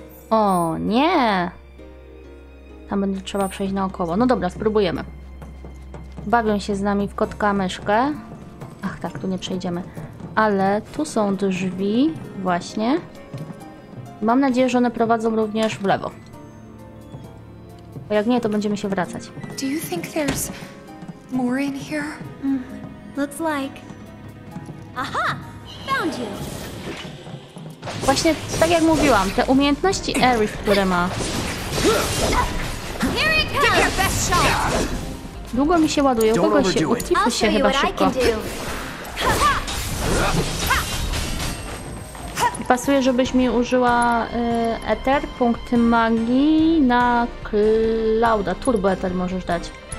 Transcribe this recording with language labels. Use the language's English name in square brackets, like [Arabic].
[Polish] O nie! Tam będzie trzeba przejść naokoło. No dobra, spróbujemy. Bawią się z nami w kotka myszkę. Ach tak, tu nie przejdziemy. Ale tu są drzwi właśnie. Mam nadzieję, że one prowadzą również w lewo. Bo jak nie, to będziemy się wracać. [English] Do you think there's more in here? Looks like. Aha! Found you. [Polish] Właśnie tak jak mówiłam, te umiejętności Aerith, które ma. [English] Here it comes. Give your best shot. [Polish] Długo mi się ładuje, kogo się utkwił się chyba szybko. Pasuje, żebyś mi użyła Ether, punkty magii na Clouda. Turbo Ether możesz dać.